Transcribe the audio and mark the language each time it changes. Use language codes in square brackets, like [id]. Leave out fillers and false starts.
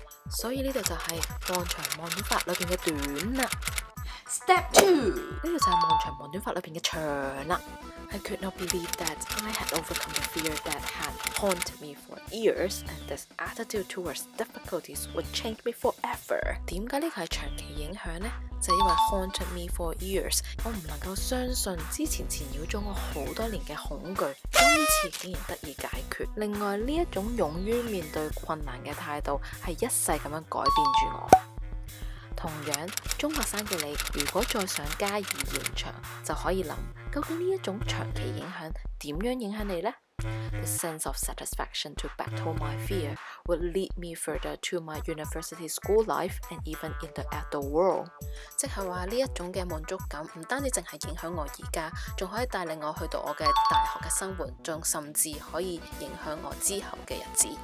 [yue] 所以这里就是望长望短法里面的短了。 [en] Step 2， [yue] 这里就是望长望短法里面的长了。 [en] I could not believe that I had overcome the fear that had haunted me for years and this attitude towards difficulties would change me forever。 [yue] 为什么这个是长期影响呢？就是因为 [en] haunted me for years， [yue] 我不能够相信之前缠绕中我很多年的恐惧今次竟然得以解决。另外这种勇于面对困难的态度是一世地改变着我。同样中学生的你如果再想加以延长，就可以想究竟这种长期影响怎样影响你呢？ [en] The sense of satisfaction to battle my fear would lead me further to my university school life and even in the adult world。 [yue] 即是说这种的满足感不单只是影响我现在，还可以带领我去到我的大学的生活，还甚至可以影响我之后的日子。